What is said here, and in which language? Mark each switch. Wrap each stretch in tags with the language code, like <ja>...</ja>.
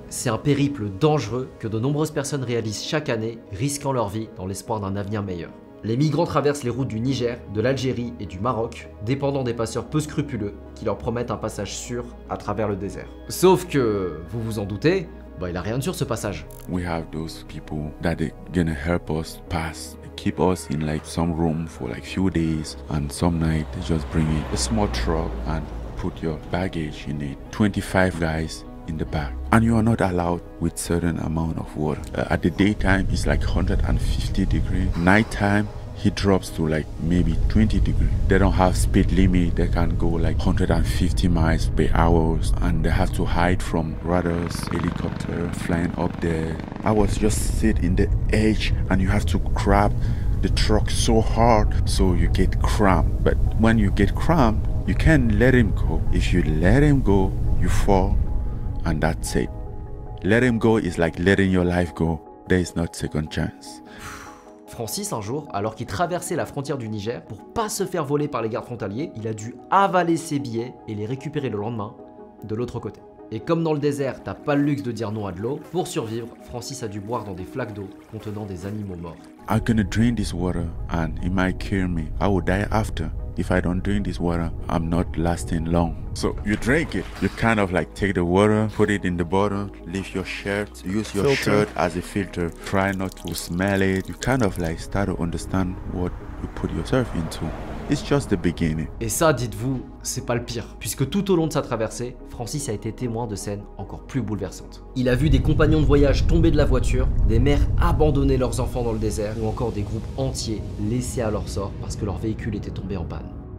<fr>C'est un périple dangereux que de nombreuses personnes réalisent chaque année, risquant leur vie dans l'espoir d'un avenir meilleur. Les migrants traversent les routes du Niger, de l'Algérie et du Maroc, dépendant des passeurs peu scrupuleux qui leur promettent un passage sûr à travers le désert. Sauf que, vous vous en doutez, bah il a rien de sûr ce passage.</fr> <en>We have those people that are gonna help us pass. Keep us in like some room for like few days and some night just bring in a small truck and put your baggage in it. 25 guys in the back. And you are not allowed with certain amount of water. At the daytime it's like 150 degrees. Nighttime he drops to like maybe 20 degrees. They don't have speed limit, they can go like 150 miles per hour and they have to hide from radars, helicopter flying up there. I was just sit in the edge and you have to grab the truck so hard so you get cramped. But when you get cramped, you can't let him go. If you let him go, you fall. And that's it. Let him go is like letting your life go. There is no second chance.</en> <fr>Francis, un jour, alors qu'il traversait la frontière du Niger pour pas se faire voler par les gardes frontaliers, il a dû avaler ses billets et les récupérer le lendemain de l'autre côté. Et comme dans le désert, t'as pas le luxe de dire non à de l'eau, pour survivre, Francis a dû boire dans des flaques d'eau contenant des animaux morts.</fr> <en>I'm gonna drink this water and it might kill me. I will die after. If I don't drink this water, I'm not lasting long. So you drink it. You kind of like take the water, put it in the bottle, leave your shirt, use your filter. Shirt as a filter. Try not to smell it. You kind of like start to understand what you put yourself into. It's just the beginning.</en> <fr>Et ça, dites-vous, c'est pas le pire. Puisque tout au long de sa traversée, Francis a été témoin de scènes encore plus bouleversantes. Il a vu des compagnons de voyage tomber de la voiture, des mères abandonner leurs enfants dans le désert, ou encore des groupes entiers laissés à leur sort parce que leur véhicule était tombé en panne.</fr>